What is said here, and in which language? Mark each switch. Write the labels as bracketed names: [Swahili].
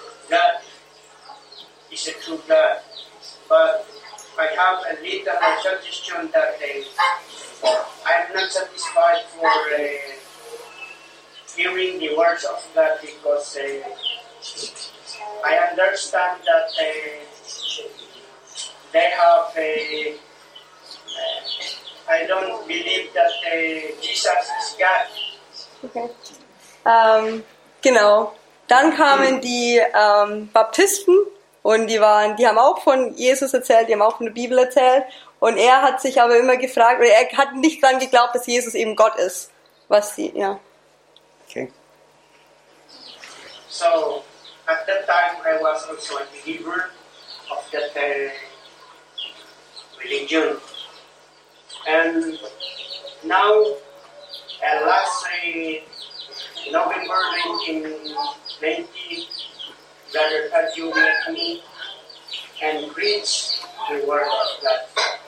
[English] God is a true God, but I have a little suggestion that I am not satisfied for hearing the words of God, because I understand that they have I don't believe that Jesus is God. [German] Okay. Genau. Dann kamen die Baptisten und die haben auch von Jesus erzählt, die haben auch von der Bibel erzählt. Und er hat sich aber immer gefragt, oder er hat nicht dran geglaubt, dass Jesus eben Gott ist. Was sie, ja. Okay. [English] So, at that time I was also a believer of that religion. And now, last November 1990, Brother Tadio met me and preached the word of God.